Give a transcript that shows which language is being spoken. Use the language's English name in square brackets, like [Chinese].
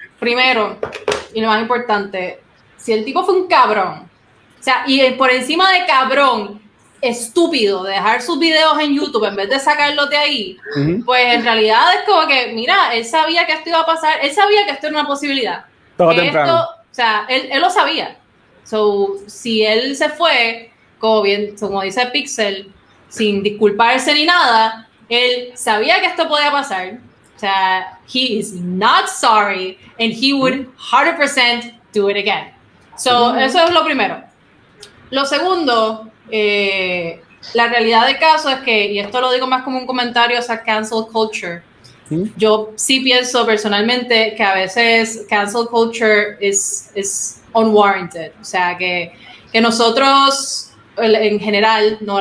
[Spanish] Primero, y lo más importante, si el tipo fue un cabrón, o sea, y por encima de cabrón, estúpido, de dejar sus videos en YouTube en vez de sacarlos de ahí, pues en realidad es como que, mira, él sabía que esto iba a pasar, él sabía que esto era una posibilidad. Todo temprano. Esto, o sea, él lo sabía. So, si él se fue, como dice Pixel, sin disculparse ni nada, él sabía que esto podía pasar. O sea, [English] he is not sorry and he would 100% do it again. [Spanish] So, eso es lo primero. Lo segundo, la realidad del caso es que, y esto lo digo más como un comentario, o sea, cancel culture. Yo sí pienso personalmente que a veces [English] cancel culture is unwarranted. [Spanish] O sea, que nosotros, en general, ¿no?